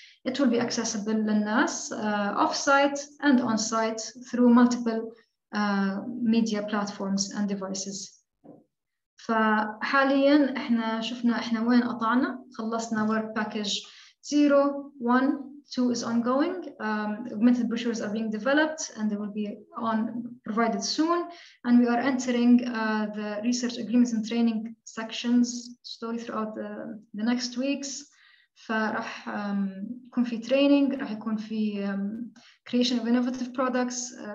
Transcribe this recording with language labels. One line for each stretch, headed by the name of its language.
English: It will be accessible للناس off-site and on-site through multiple media platforms and devices.
Arabic: فحالياً إحنا شفنا إحنا وين قطعنا.
English: خلصنا Work Package 0, 1, 2 is ongoing. Augmented brochures are being developed and they will be on provided soon. And we are entering the research agreements and training sections slowly throughout the next weeks.
Arabic: فرح يكون في training, رح يكون في
English: creation of innovative products.